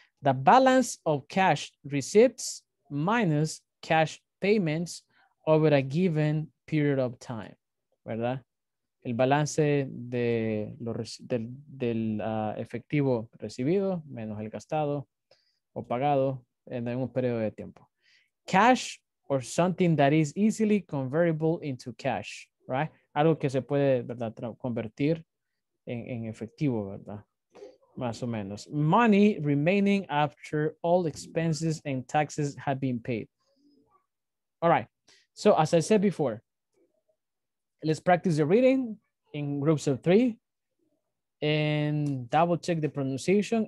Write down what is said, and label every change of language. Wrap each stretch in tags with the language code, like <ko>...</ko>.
<en>The balance of cash receipts minus cash payments over a given period of time, ¿verdad?</en> <es>El balance del efectivo recibido menos el gastado o pagado en un periodo de tiempo.</es> <en>Cash or something that is easily convertible into cash, right?</en> <es>Algo que se puede, ¿verdad?, convertir en efectivo, ¿verdad? Más o menos.</es> <en>Money remaining after all expenses and taxes have been paid. All right. So as I said before, let's practice the reading in groups of three and double check the pronunciation.</en>